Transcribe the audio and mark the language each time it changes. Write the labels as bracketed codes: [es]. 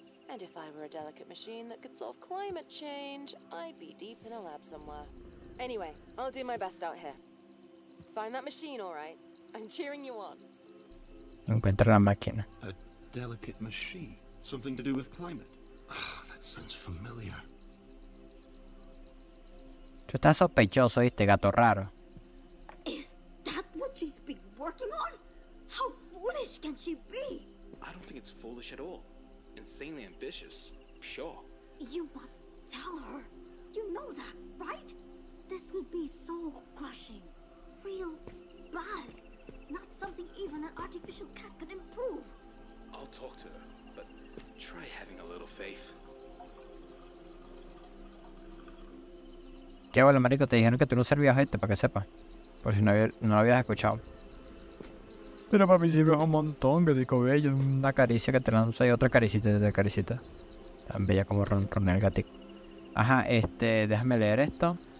[en] And if I were a delicate machine that could solve climate change, I'd be deep in a lab somewhere. Anyway, I'll do my best out here. Find that machine, all right. I'm cheering you on. [es] Encuentra la máquina. [en] A delicate machine, something to do with climate. Ah, oh, that sounds familiar. [es] Tú estás sospechoso, ¿viste, gato raro? [en] Is that what she's been working on? How foolish can she be? I don't think it's foolish at all. Insanely ambitious, sure. You must tell her. You know that, right? This will be soul crushing. Real bad. Not something even an artificial cat could improve. I'll talk to her, but try having a little faith. [es] Qué bueno, marico, te dijeron que tú no servías a gente, para que sepas. Por si no lo habías escuchado. Pero para mí sirve un montón, que digo bello. Una caricia que te lanza y otra caricita y otra caricita. Tan bella como Ron el gatito. Ajá, déjame leer esto.